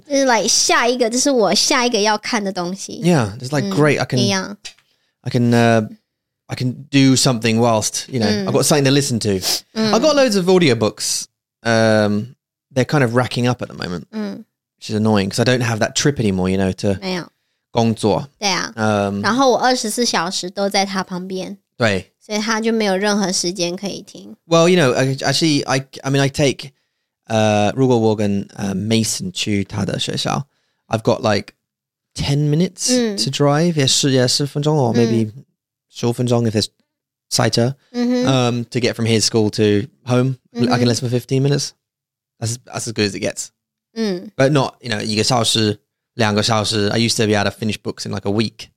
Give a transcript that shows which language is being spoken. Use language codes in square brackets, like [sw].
[zh] 就是 like, 下一个,这是我下一个要看的东西。 [en] Yeah, it's like, great, I can do something whilst, you know, I've got something to listen to. I've got loads of audiobooks, they're kind of racking up at the moment, which is annoying, because I don't have that trip anymore, you know, to [zh] 没有工作。对啊。然后我24小时都在他旁边。对。所以他就没有任何时间可以听。 [en] Well, you know, actually, I mean, I take... [zh] 如果我跟Mason 去他的学校 [en] I've got like 10 minutes to drive [zh] 也是10分钟 [en] or maybe 15分钟 if it's 赛车、to get from his school to home、I can listen for 15 minutes that's as good as it gets、but not you know [zh] 一个小时两个小时 [en] I used to be able to finish books in like a week